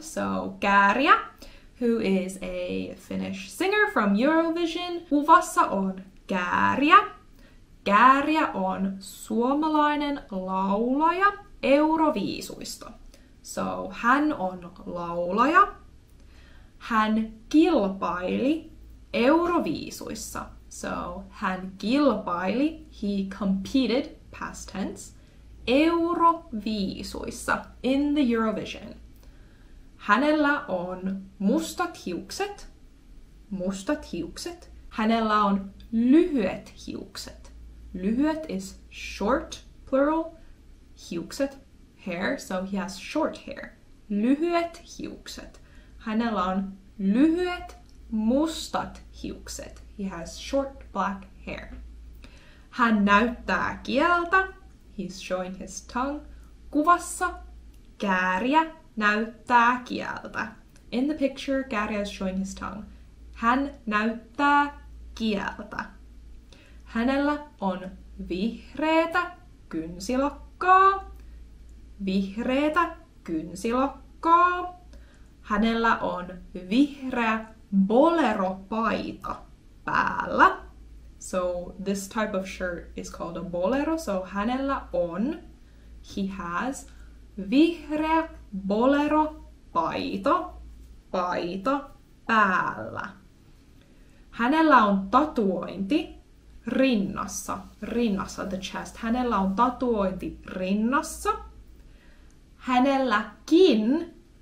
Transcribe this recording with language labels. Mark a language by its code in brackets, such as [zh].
[en] So Käärijä, who is a Finnish singer from Eurovision. [fi] Kuvassa on Käärijä. Käärijä on suomalainen laulaja Euroviisuista. So hän on laulaja. Hän kilpaili Euroviisuissa. [en] So [fi] hän kilpaili, [en] he competed, past tense, Euroviisuissa, in the Eurovision. [fi] Hänellä on mustat hiukset. Mustat hiukset. Hänellä on lyhyet hiukset. [en] Lyhyet is short, plural, hiukset, hair, so he has short hair. [fi] Lyhyet hiukset. Hänellä on lyhyet mustat hiukset. [en] He has short black hair. [fi] Hän näyttää kieltä. [en] He's showing his tongue. [fi] Kuvassa Käärijä näyttää kieltä. [en] In the picture, Käärijä is showing his tongue. [fi] Hän näyttää kieltä. Hänellä on vihreätä kynsilokkaa. Vihreätä kynsilokkaa. Hänellä on vihreä bolero-paita päällä. [en] So this type of shirt is called a bolero. [fi] So hänellä on, [en] he has, [fi] vihreä bolero-paita, paita päällä. Hänellä on tatuointi rinnassa, rinnassa, the chest. Hänellä on tatuointi rinnassa. Hänelläkin